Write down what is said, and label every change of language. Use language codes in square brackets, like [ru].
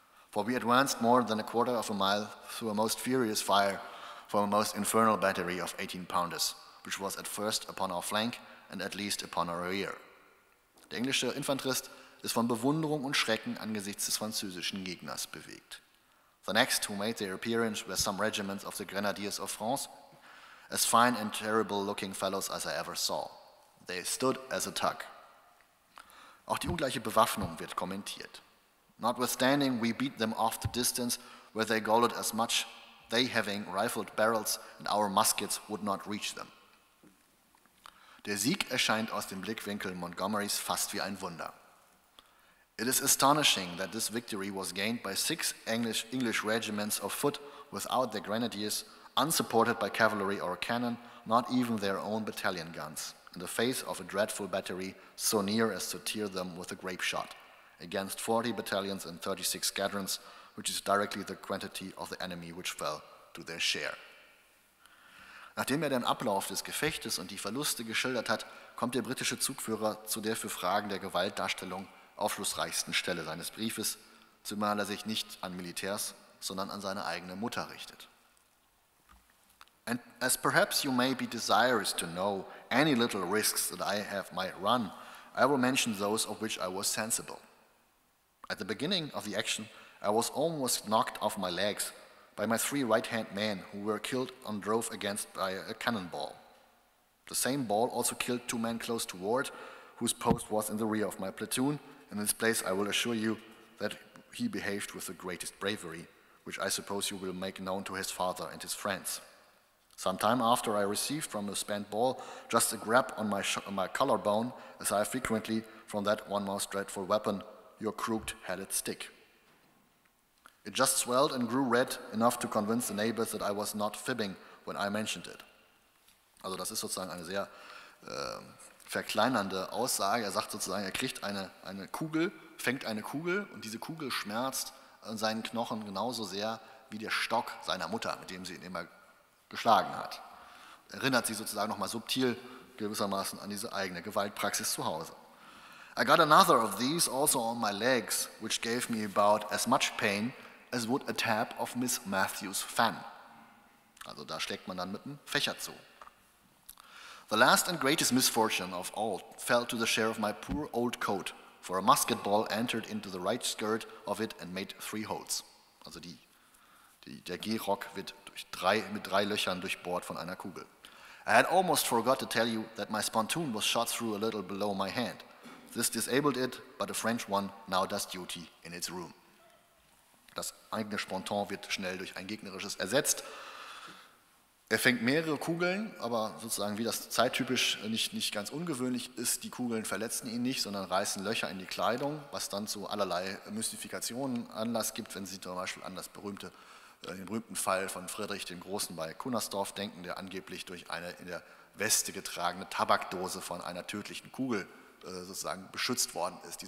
[en] For we advanced more than a quarter of a mile through a most furious fire from a most infernal battery of 18 pounders, which was at first upon our flank and at least upon our rear." [de] Der englische Infanterist ist von Bewunderung und Schrecken angesichts des französischen Gegners bewegt. [en] "The next who made their appearance were some regiments of the Grenadiers of France, as fine and terrible looking fellows as I ever saw. They stood as a tuck." [de] Auch die ungleiche Bewaffnung wird kommentiert. [en] "Notwithstanding, we beat them off the distance where they galloped as much, they having rifled barrels and our muskets would not reach them." [de] Der Sieg erscheint aus dem Blickwinkel Montgomerys fast wie ein Wunder. [en] "It is astonishing that this victory was gained by six English regiments of foot without their grenadiers, unsupported by cavalry or cannon, not even their own battalion guns, in the face of a dreadful battery so near as to tear them with a grape shot, against 40 battalions and 36 squadrons, which is directly the quantity of the enemy which fell to their share." [de] Nachdem er den Ablauf des Gefechtes und die Verluste geschildert hat, kommt der britische Zugführer zu der für Fragen der Gewaltdarstellung aufschlussreichsten Stelle seines Briefes, zumal er sich nicht an Militärs, sondern an seine eigene Mutter richtet. [en] "And as perhaps you may be desirous to know any little risks that I have might run, I will mention those of which I was sensible. At the beginning of the action, I was almost knocked off my legs by my three right-hand men who were killed and drove against by a cannonball. The same ball also killed two men close to Ward, whose post was in the rear of my platoon. In this place, I will assure you that he behaved with the greatest bravery, which I suppose you will make known to his father and his friends. Sometime after, I received from a spent ball just a grab on my collarbone, as I frequently from that one most dreadful weapon, your crooked-headed stick. It just swelled and grew red enough to convince the neighbors that I was not fibbing when I mentioned it." [de] Also das ist sozusagen eine sehr verkleinernde Aussage. Er sagt sozusagen, er kriegt eine Kugel, fängt eine Kugel und diese Kugel schmerzt an seinen Knochen genauso sehr wie der Stock seiner Mutter, mit dem sie ihn immer geschlagen hat. Erinnert sie sozusagen nochmal subtil gewissermaßen an diese eigene Gewaltpraxis zu Hause. [en] "I got another of these also on my legs, which gave me about as much pain as would a tap of Miss Matthew's fan." [de] Also da schlägt man dann mit dem Fächer zu. [en] "The last and greatest misfortune of all fell to the share of my poor old coat, for a musket ball entered into the right skirt of it and made three holes." [de] Also der Gehrock wird mit drei Löchern durchbohrt von einer Kugel. [en] "I had almost forgot to tell you that my spontoon was shot through a little below my hand. This disabled it, but a French one now does duty in its room." [de] Das eigene Sponton wird schnell durch ein gegnerisches ersetzt. Er fängt mehrere Kugeln, aber sozusagen wie das zeittypisch nicht ganz ungewöhnlich ist, die Kugeln verletzen ihn nicht, sondern reißen Löcher in die Kleidung, was dann zu allerlei Mystifikationen Anlass gibt, wenn Sie zum Beispiel an den berühmten Fall von Friedrich dem Großen bei Kunersdorf denken, der angeblich durch eine in der Weste getragene Tabakdose von einer tödlichen Kugel sozusagen beschützt worden ist.